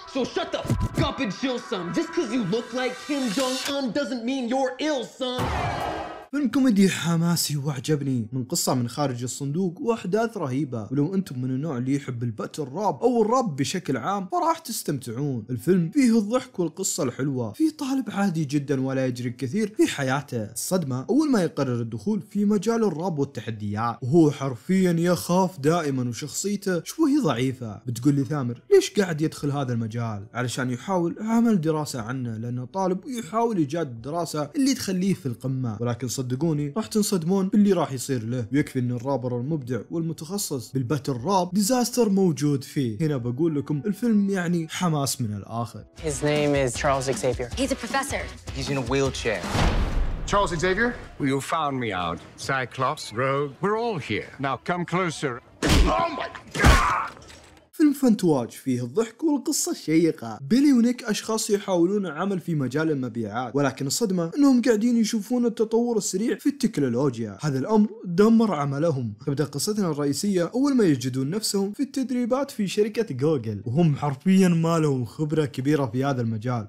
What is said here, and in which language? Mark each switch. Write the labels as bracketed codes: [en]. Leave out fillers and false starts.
[en] So shut the fuck up and chill some. Just cause you look like Kim Jong-un doesn't mean you're ill, son. [ar] فيلم كوميدي حماسي وعجبني، من قصة من خارج الصندوق وأحداث رهيبة، ولو أنتم من النوع اللي يحب الباتل راب أو الراب بشكل عام فراح تستمتعون. الفيلم فيه الضحك والقصة الحلوة، فيه طالب عادي جدا ولا يجري كثير في حياته. الصدمة أول ما يقرر الدخول في مجال الراب والتحديات، وهو حرفيا يخاف دائما وشخصيته شوي ضعيفة. بتقول لي ثامر ليش قاعد يدخل هذا المجال؟ علشان يحاول عمل دراسة عنه، لأنه طالب ويحاول إيجاد الدراسة اللي تخليه في القمة. ولكن صدقوني راح تنصدمون باللي راح يصير له. يكفي ان الرابر المبدع والمتخصص بالباتل راب ديزاستر موجود فيه. هنا بقول لكم الفيلم يعني حماس من الاخر. [en] His name is Charles Xavier. He's a professor. He's in a wheelchair. Charles Xavier, well, you found me out. Cyclops, Rogue, we're all here. Now come closer. Oh my god. [ar] فيلم فانتواج فيه الضحك والقصة الشيقة. بيلي ونيك أشخاص يحاولون العمل في مجال المبيعات، ولكن الصدمة أنهم قاعدين يشوفون التطور السريع في التكنولوجيا، هذا الأمر دمر عملهم. تبدأ قصتنا الرئيسية أول ما يجدون نفسهم في التدريبات في شركة جوجل، وهم حرفيا ما لهم خبرة كبيرة في هذا المجال.